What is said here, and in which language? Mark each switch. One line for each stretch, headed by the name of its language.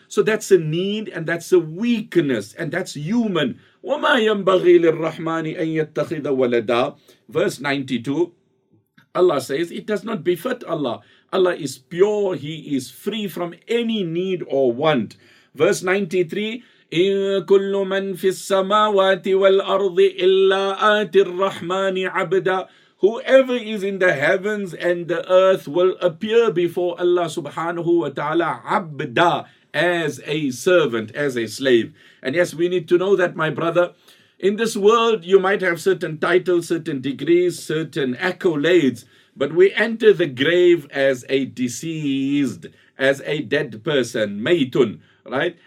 English: So that's a need, and that's a weakness, and that's human.
Arabic: وَمَا يَنْبَغِي لِلرَّحْمَانِ أَن يَتَّخِذَ وَلَدًا.
English: Verse 92, Allah says, it does not befit Allah. Allah is pure, He is free from any need or want. Verse 93,
Arabic: إِن كُلُّ مَن فِي السَّمَاوَاتِ وَالْأَرْضِ إِلَّا آتِ الرَّحْمَانِ عَبْدًا.
English: Whoever is in the heavens and the earth will appear before Allah subhanahu wa ta'ala عَبْدًا, as a servant, as a slave. And yes, we need to know that, my brother. In this world, you might have certain titles, certain degrees, certain accolades, but we enter the grave as a deceased, as a dead person, مَيْتٌ. Right?